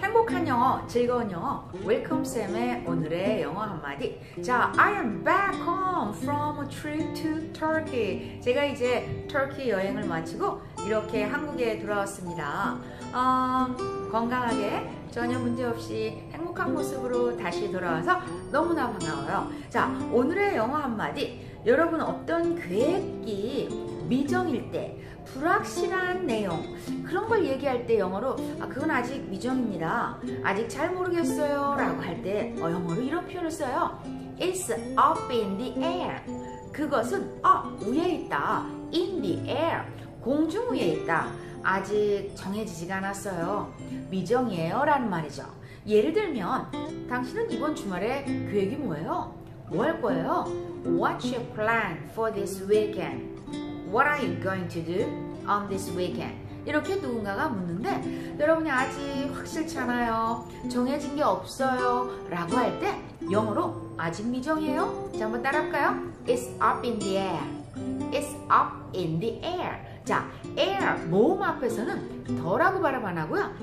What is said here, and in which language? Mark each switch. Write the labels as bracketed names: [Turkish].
[Korean] 행복한 영어, 즐거운 영어. [English] Welcome, [Korean] Sam의 오늘의 영어 한마디. [English] 자, I am back home from a trip to Turkey. [Korean] 제가 이제 터키 여행을 마치고 이렇게 한국에 돌아왔습니다. 건강하게 전혀 문제 없이 행복한 모습으로 다시 돌아와서 너무나 반가워요. 자, 오늘의 영어 한마디. 여러분 어떤 계획이 미정일 때 불확실한 내용 그런 걸 얘기할 때 영어로 아 그건 아직 미정입니다. 아직 잘 모르겠어요 라고 할 때 영어로 이런 표현을 써요. [English] It's up in the air. [Korean] 그것은 up 위에 있다. [English] In the air. [Korean] 공중 위에 있다. 아직 정해지지가 않았어요. 미정이에요 라는 말이죠. 예를 들면 당신은 이번 주말에 계획이 뭐예요? 뭐 할 거예요? [English] What's your plan for this weekend? What are you going to do on this weekend? [Korean] 이렇게 누군가가 묻는데 여러분이 아직 확실치 않아요. 정해진 게 없어요. 라고 할 때 영어로 아직 미정이에요. 자, 한번 따라 할까요? [English] It's up in the air. It's up in the air. [Korean] 자, air 모음 앞에서는 더라고 발음 안 하고요.